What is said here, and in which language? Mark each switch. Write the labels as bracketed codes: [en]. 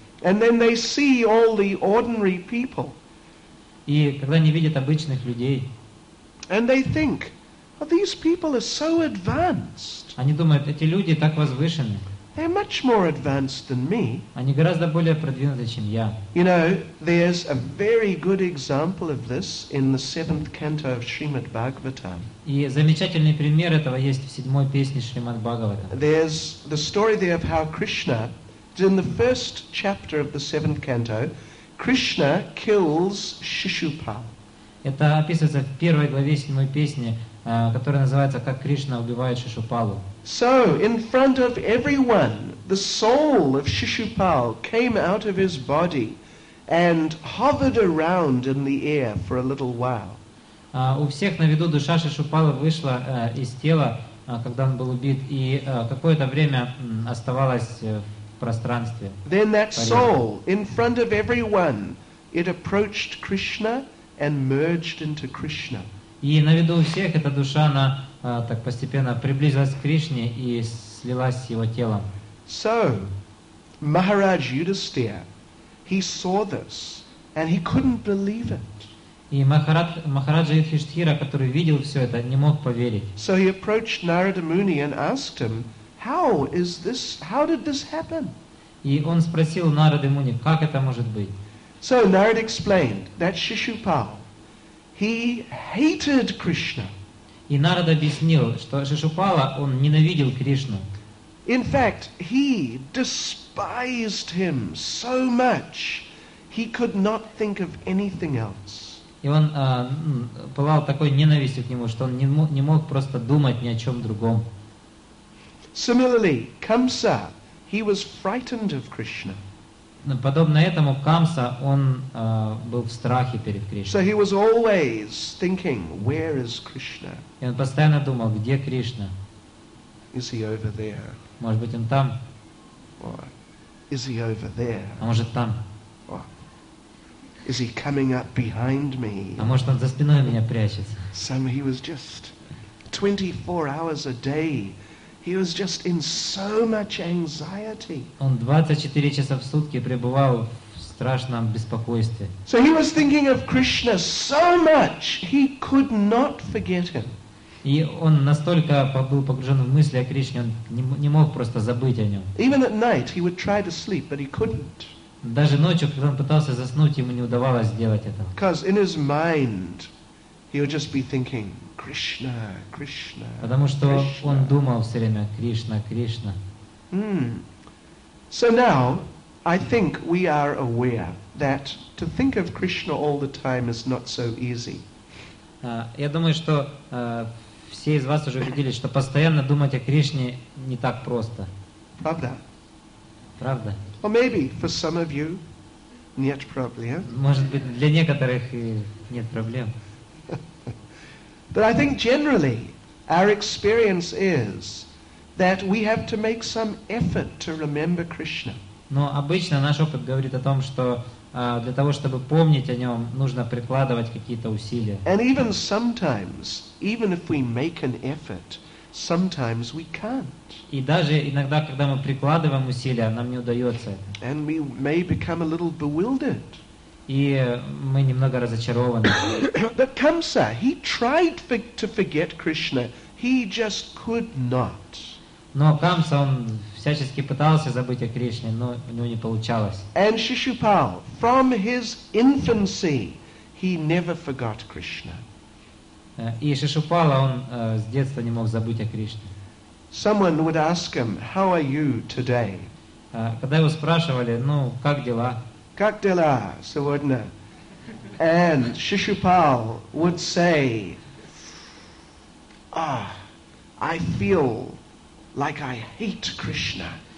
[en] And then they see all the ordinary people. [ru] И когда они видят обычных людей. [en] And they think, well, these people are so advanced. [ru] Они думают, эти люди так возвышены. [en] They're much more advanced than me. [ru] Они гораздо более продвинуты, чем я. [en] You know, there's a very good example of this in the seventh canto of Srimad Bhagavatam. [ru] И замечательный пример этого есть в седьмой песне Шримад Бхагаватам. [en] There's the story there of how Krishna, in the first chapter of the seventh canto, Krishna kills Shishupal. [ru] Это описывается в первой главе седьмой песни, которая называется «Как Кришна убивает Шишупалу». [en] So, in front of everyone, the soul of Shishupal came out of his body and hovered around in the air for a little while. [ru] У всех на виду душа Шишупала вышла из тела, когда он был убит, и какое-то время оставалась в пространстве. [en] Then that soul, in front of everyone, it approached Krishna and merged into Krishna. [ru] И на виду у всех эта душа, она так постепенно приблизилась к Кришне и слилась с его телом. [en] So, Maharaj Yudhisthira, he saw this, and he couldn't believe it. [ru] И Махараджа Юдхиштхира, который видел все это, не мог поверить. [en] So he approached Narada Muni and asked him, how is this, how did this happen? [ru] И он спросил Нарады Муни, как это может быть? [en] So Narada explained that Shishupal, he hated Krishna. [ru] И Нарада объяснил, что Шишупала, он ненавидел Кришну. [en] In fact, he despised him so much, he could not think of anything else. [ru] И он пылал такой ненавистью к нему, что он не мог просто думать ни о чем другом. [en] Similarly, Kamsa, he was frightened of Krishna. [ru] Подобно этому Камса, он был в страхе перед Кришной. [en] So he was always thinking, where is Krishna? [ru] И он постоянно думал, где Кришна? [en] Is he over there? [ru] Может быть, он там? [en] Or is he over there? [ru] А может, там? [en] Or is he coming up behind me? [ru] А может, он за спиной меня прячется? [en] So he was just 24 hours a day. He was just in so much anxiety. [ru] Он 24 часа в сутки пребывал в страшном беспокойстве. [en] So he was thinking of Krishna so much, he could not forget him. [ru] И он настолько был погружен в мысли о Кришне, он не мог просто забыть о нем. [en] Even at night he would try to sleep, but he couldn't. [ru] Даже ночью, когда он пытался заснуть, ему не удавалось сделать этого. [en] Because in his mind, he would just be thinking, Krishna, Krishna. [ru] Потому что он думал все время Кришна, Кришна. [en] So now, I think we are aware that to think of Krishna all the time is not so easy. [ru] Я думаю, что все из вас уже убедились, что постоянно думать о Кришне не так просто. Правда? Правда? [en] Or maybe for some of you, [ru] нет проблем. Может быть, для некоторых нет проблем. [en] But I think generally our experience is that we have to make some effort to remember Krishna. [ru] Но обычно наш опыт говорит о том, что для того, чтобы помнить о нем, нужно прикладывать какие-то усилия. [en] And even sometimes, even if we make an effort, sometimes we can't. [ru] И даже иногда, когда мы прикладываем усилия, нам не удается это. [en] And we may become a little bewildered. [ru] И мы немного разочарованы. [en] But Kamsa, he tried to forget Krishna. He just could not. [ru] Но Камса, он всячески пытался забыть о Кришне, но у него не получалось. [en] And Shishupal, from his infancy, he never forgot Krishna. [ru] И Шишупала, он с детства не мог забыть о Кришне. [en] Someone would ask him, how are you today? [ru] Когда его спрашивали, ну, как дела? Как дела сегодня? [en] And Shishupal would say, ah, I feel like I hate Krishna.